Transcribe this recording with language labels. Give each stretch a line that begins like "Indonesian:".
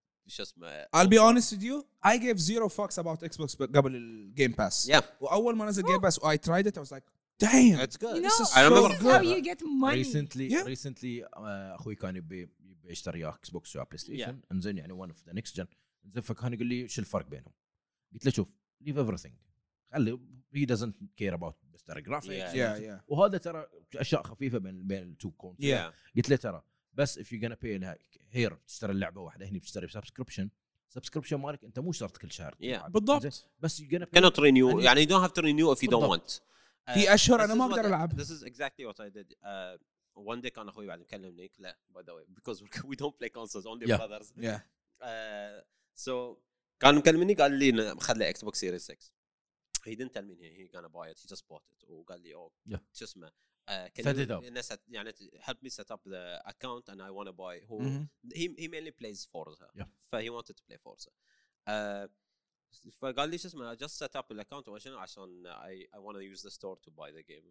English: Just my. I'll be honest with you. I gave zero fucks about Xbox before Game Pass. Yeah. Well, when I said Game Pass, I tried it. I was like. Damn, that's good. You know, this is good. How you get money.
Arabic: Recently, أخوي كان يبي يشتري Xbox or PlayStation.
English: Yeah.
Arabic: انزين يعني
English: one of the next gen.
Arabic: انزين فكان يقول لي شو الفرق بينهم؟ قلت له شوف,
English: leave everything.
Arabic: خلي
English: he doesn't care about the graphics. Yeah, yeah.
Arabic: وهذا ترى أشياء خفيفة بين two consoles.
English: Yeah.
Arabic: قلت له ترى بس
English: if you gonna pay like here
Arabic: تشتري اللعبة واحدة هني بتشتري subscription. Subscription مالك أنت مو شرط كل شهر.
English: Yeah.
Arabic: بالضبط. بس
English: you gonna cannot renew.
Arabic: يعني
English: you don't have to renew if you don't want.
Arabic: في اشهر انا ما اقدر العب.
English: This is exactly what I did. One day
Arabic: كان اخوي بعد يكلمني لا
English: by the way because we don't play consoles only yeah. brothers. Yeah.
Arabic: So كان مكلمني قال لي خذ لي اكس بوكس سيريس اكس.
English: He didn't tell me he gonna buy it. He just bought it.
Arabic: و قال لي اوه شو اسمه
English: set it up.
Arabic: الناس يعني
English: help me set up the account and I want to buy. Who mm-hmm. he mainly plays Forza. Yeah.
Arabic: فهي
English: wanted to play Forza.
Arabic: فقال لي شو اسمه
English: I just set up the account
Arabic: عشان
English: I want to use the store to buy the game.